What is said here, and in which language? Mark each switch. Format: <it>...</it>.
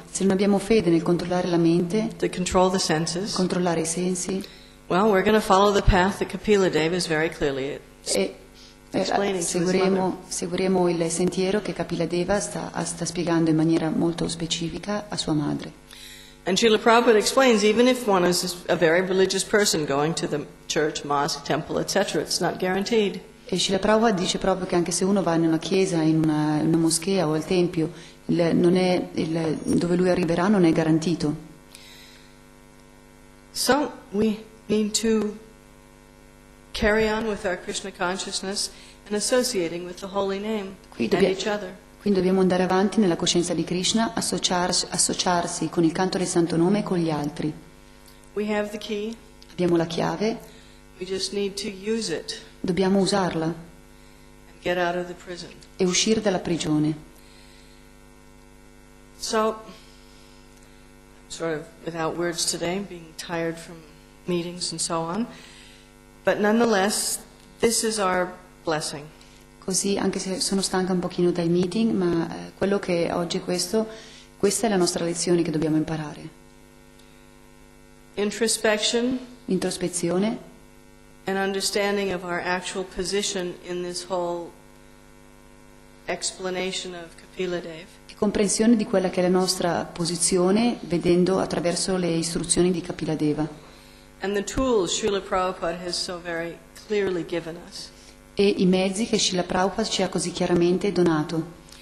<it>Se non abbiamo fede nel controllare la mente.</it> <en>To control the senses.</en> <it>Controllare i sensi.</it> <en>Well, we're going to follow the path that Kapila Dev is very clearly explaining to his mother.</en> <it>Seguiremo il sentiero che Kapila Deva sta spiegando in maniera molto specifica a sua madre.</it> <en>And Srila Prabhupada explains, even if one is a very religious person going to the church, mosque, temple, etc., it's not guaranteed.</en> <it>E Srila Prabhupada dice proprio che anche se uno va in una chiesa, in una moschea o al tempio, non è dove lui arriverà non è garantito.</it> <en>So we need to carry on with our Krishna consciousness and associating with the holy name and each other.</en> <it>Quindi dobbiamo andare avanti nella coscienza di Krishna, associarsi con il canto del santo nome e con gli altri.</it> <en>We have the key.</en> <it>Abbiamo la chiave.</it> <en>We just need to use it.</en> <it>Dobbiamo usarla.</it> <en>And get out of the prison.</en> <it>E uscire dalla prigione.</it> <en>So, sort of without words today, being tired from meetings and so on, but nonetheless, this is our blessing.</en> <it>Così, anche se sono stanca un pochino dai meeting, ma quello che oggi è questa è la nostra lezione che dobbiamo imparare.</it> <en>Introspection.</en> <it>Introspezione.</it> <en>An understanding of our actual position in this whole explanation of Kapila Dev.</en> <it>Comprensione di quella che è la nostra posizione vedendo attraverso le istruzioni di Kapila Deva.</it> <en>And the tools Srila Prabhupada has so very clearly given us.</en> <it>E i mezzi che Srila Prabhupada ci ha così chiaramente donato.</it>